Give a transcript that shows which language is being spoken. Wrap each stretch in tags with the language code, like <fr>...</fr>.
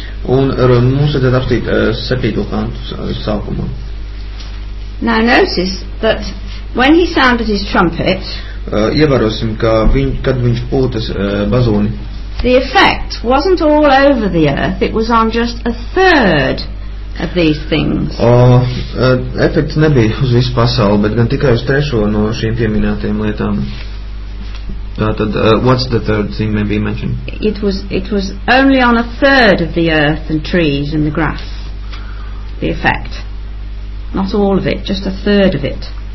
<lv>Un mums tad apstīt septīto kantu sākumā.</lv> <en>Now notice that when he sounded his trumpet,</en> <lv>Ievērosim, ka kad viņš pūtas bazūni.</lv> <en>The effect wasn't all over the earth, it was on just a third of these things.</en> <lv>Efekts nebija uz visu pasauli, bet gan tikai uz trešo no šīm pieminētajām lietām.</lv> <en>Tātad, what's the third thing maybe mentioned? It was only on a third of the earth and trees and the grass, the effect. Not all of it, just a third of it.</en>